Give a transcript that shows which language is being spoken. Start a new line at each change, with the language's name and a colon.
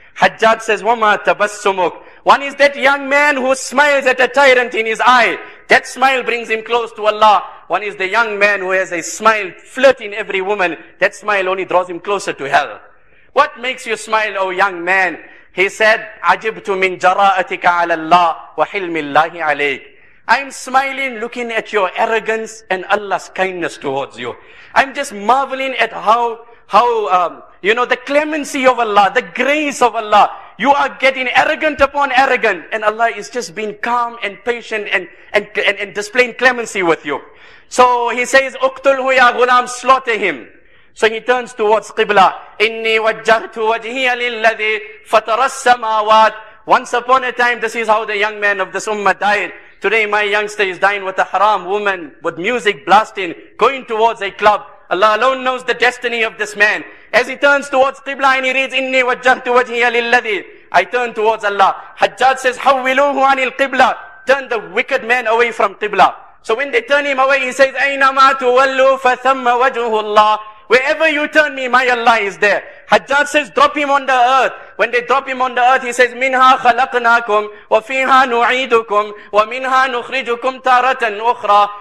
English: Hajjaj says,
Arabic: Wama tabassumuk.
English: One is that young man who smiles at a tyrant in his eye. That smile brings him close to Allah. One is the young man who has a smile flirting every woman. That smile only draws him closer to hell. What makes you smile, O young man? He said,
Arabic: عَجِبْتُ مِنْ جَرَاءَتِكَ عَلَى اللَّهِ وَحِلْمِ اللَّهِ عَلَيْكَ.
English: I'm smiling looking at your arrogance and Allah's kindness towards you. I'm just marveling at how the clemency of Allah, the grace of Allah. You are getting arrogant upon arrogant and Allah is just being calm and patient and displaying clemency with you. So he says,
Arabic: اُقْتُلْهُ يَا غُلَام,
English: slaughter him. So he turns towards Qibla.
Arabic: إِنِّي وَجَّهْتُ وَجْهِيَ لِلَّذِي فَطَرَ السَّمَاوَاتِ.
English: Once upon a time, this is how the young man of this ummah died. Today my youngster is dying with a haram woman, with music blasting, going towards a club. Allah alone knows the destiny of this man. As he turns towards Qibla and he reads,
Arabic: إِنِّي وَجَّهْتُ وَجْهِيَ لِلَّذِي.
English: I turn towards Allah. Hajjaj says,
Arabic: حَوِّلُوهُ عَنِ الْقِبْلَةِ.
English: Turn the wicked man away from Qibla. So when they turn him away, he says,
Arabic: أَيْنَمَا تُوَلُّوا فَثَمَّ وَجْهُ اللَّهِ.
English: Wherever you turn me, my Allah is there. Hajjaj says, drop him on the earth. When they drop him on the earth, he says,
Arabic: مِنْهَا خَلَقْنَاكُمْ وَفِيهَا نُعِيدُكُمْ وَمِنْهَا نُخْرِجُكُمْ تَارَةً أُخْرَى.